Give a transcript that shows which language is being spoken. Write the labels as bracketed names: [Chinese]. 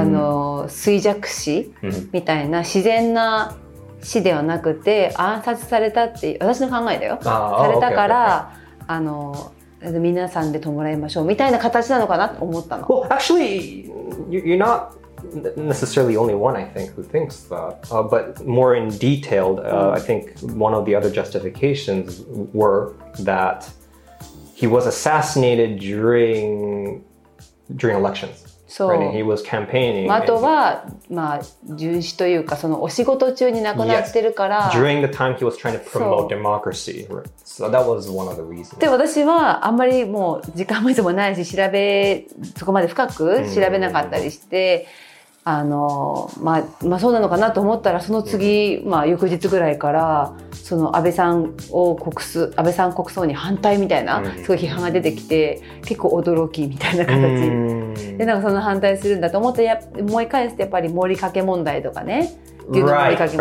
[Japanese] あの衰弱死みたいな自然な死ではなくて、暗殺されたっていう私の考えだよ。されたから、あの皆さんで弔いましょうみたいな形なのかなと思ったの。 [English] Well, actually, you're not necessarily only one, I think, who thinks that. But more in detail, I think one of the other justifications were that he was assassinated during elections. So, right? And he was campaigning. [Japanese] あとは、まあ、巡視というか、そのお仕事中に亡くなってるから。 [English] During the time he was trying to promote democracy. Right? So that was one of the reasons. [Japanese] で、私はあんまりもう時間もいつもないし、調べ、そこまで深く調べなかったりして、mm-hmm. あのまあまあ、そうなのかなと思ったら、その次、まあ、翌日ぐらいからその安倍さん国葬に反対みたいな、すごい批判が出てきて、結構驚きみたいな形で、なんかその反対するんだと思って、思い返すと、やっぱり森かけ問題とかね、森友学園、